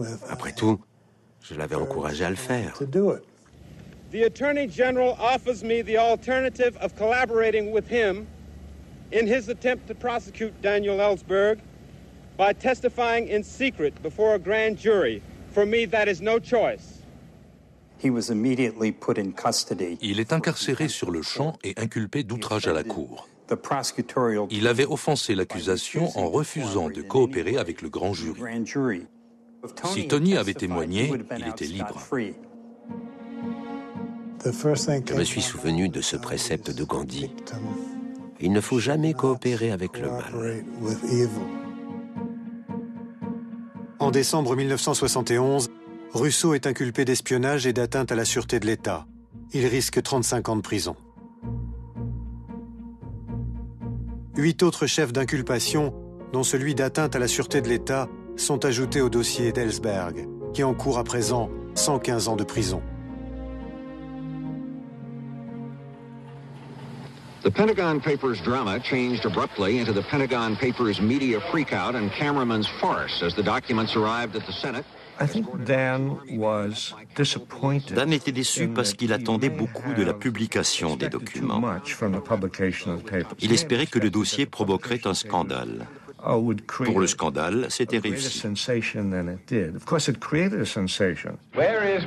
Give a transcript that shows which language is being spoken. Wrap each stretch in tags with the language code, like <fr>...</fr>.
<fr>Après tout, je l'avais encouragé à le faire.</fr> <en>The Attorney General offers me the alternative of collaborating with him in his attempt to prosecute Daniel Ellsberg by testifying in secret before a grand jury. For me, that is no choice.</en> <fr>Il est incarcéré sur le champ et inculpé d'outrage à la cour. Il avait offensé l'accusation en refusant de coopérer avec le grand jury. Si Tony avait témoigné, il était libre. Je me suis souvenu de ce précepte de Gandhi. Il ne faut jamais coopérer avec le mal. En décembre 1971, Russo est inculpé d'espionnage et d'atteinte à la sûreté de l'État. Il risque 35 ans de prison. Huit autres chefs d'inculpation, dont celui d'atteinte à la sûreté de l'État, sont ajoutés au dossier d'Ellsberg, qui encourt à présent 115 ans de prison.</fr> <en>The Pentagon Papers drama changed abruptly into the Pentagon Papers media freakout and cameraman's farce as the documents arrived at the Senate.</en> <fr>Dan était déçu parce qu'il attendait beaucoup de la publication des documents. Il espérait que le dossier provoquerait un scandale. pour le scandale, c'était réussi.</fr> <en>Where is</en>